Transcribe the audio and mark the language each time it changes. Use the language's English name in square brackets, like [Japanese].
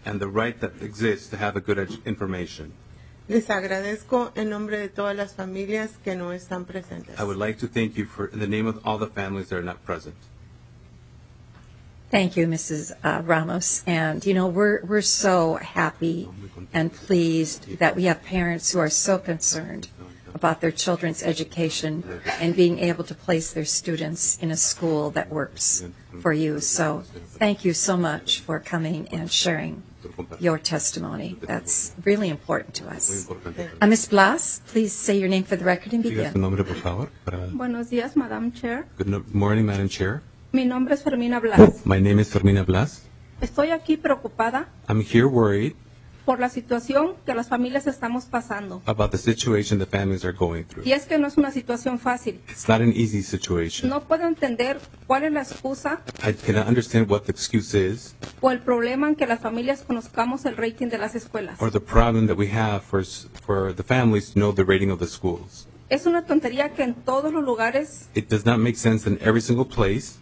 [English] And the right that exists to have a good information. [Spanish] Les agradezco en nombre de todas las familias que no están presentes. [English] I would like to thank you in the name of all the families that are not present. Thank you, Mrs. Ramos. And, you know, we're so happy and pleased that we have parents who are so concerned about their children's education and being able to place their students in a school that works for you. So thank you so much for coming and sharing your testimony. That's really important to us. Ms. Blas, please say your name for the record and begin. [Spanish] Buenos días, [English] Madam Chair. Good morning, Madam Chair. [Spanish] Mi nombre es Fermina Blas. [English] My name is Fermina Blas. [Spanish] Estoy aquí preocupada. [English] I'm here worried. [Spanish] Por la situación que las familias estamos pasando. [English] About the situation the families are going through. [Spanish] Y es que no es una situación fácil. [English] It's not an easy situation. [Spanish] No puedo entender cuál es la excusa. [English] I cannot understand what the excuse is. [Spanish] O el problema en que las familias conozcamos el rating de las escuelas. [English] Or the problem that we have for the families to know the rating of the schools. [Spanish] Es una tontería que en todos los lugares. [English] It does not make sense in every single place.